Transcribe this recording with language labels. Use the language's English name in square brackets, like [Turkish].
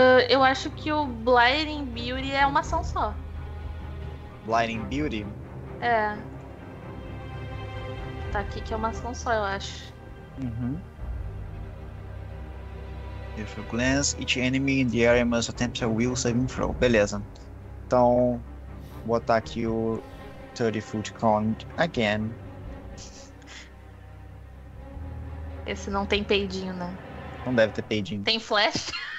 [Portuguese] Eu acho que o Blighting Beauty é uma ação só. Blighting Beauty? É. Tá aqui que é uma ação só, eu acho. Uhum. [English] If you glance each enemy in the area must attempt a will saving throw. [Portuguese] Beleza. Então, vou botar aqui o [English] 30 foot cone again. [Portuguese] Esse não tem peidinho, né? Não deve ter peidinho. Tem flash?